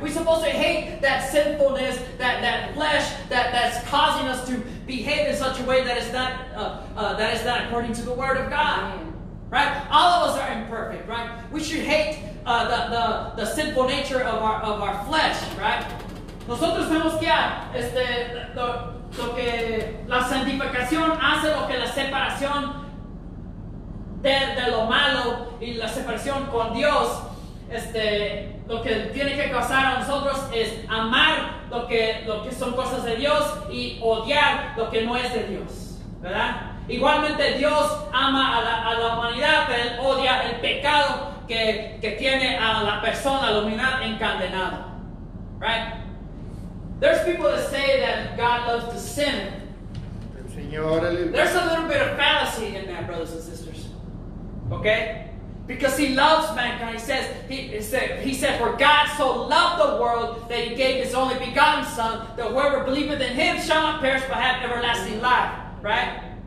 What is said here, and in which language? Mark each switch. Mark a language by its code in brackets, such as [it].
[en] We're supposed to hate that sinfulness, that flesh that's causing us to behave in such a way that is not according to the word of God. Right? All of us are imperfect, right? We should hate the sinful nature of our flesh, right? [es] Nosotros tenemos que lo que la santificación hace, lo que la separación de lo malo y la separación con Dios lo que tiene que causar a nosotros es amar lo que son cosas de Dios y odiar lo que no es de Dios, ¿verdad? Igualmente Dios ama a la humanidad, pero él odia el pecado que tiene a la persona, a la humanidad encadenada, [en] right? There's people that say that God loves the sinner. There's a little bit of fallacy in that, brothers and sisters. Okay? Because he loves mankind. He said, for God so loved the world that he gave his only begotten son, that whoever believeth in him shall not perish but have everlasting life. Right?